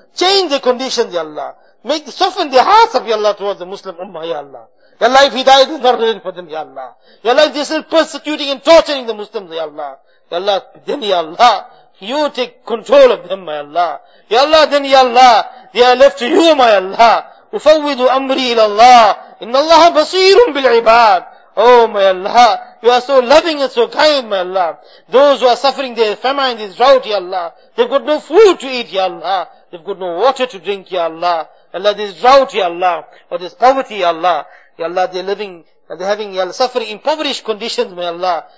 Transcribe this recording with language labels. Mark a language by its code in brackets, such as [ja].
[en] Change their conditions, Ya Allah. Make, soften the hearts of, Ya Allah, towards the Muslim ummah, Ya Allah. Ya Allah, if hidayat is not ready for them, Ya Allah. Ya Allah, if they're still persecuting and torturing the Muslims, Ya Allah. Ya Allah, then, Ya Allah, you take control of them, my Allah. Ya Allah, then, Ya Allah, they are left to you, my Allah. [ar] أفوض أمري إلى الله إن الله بصير بالعباد. [en] Oh my Allah, you are so loving and so kind, my Allah. Those who are suffering their famine, this drought, Ya Allah, they've got no food to eat, Ya Allah, they've got no water to drink, Ya Allah. Allah, this drought, Ya Allah, or this poverty, Ya Allah, Ya Allah, they're living, they're having, Ya Allah, suffering impoverished conditions, my Allah.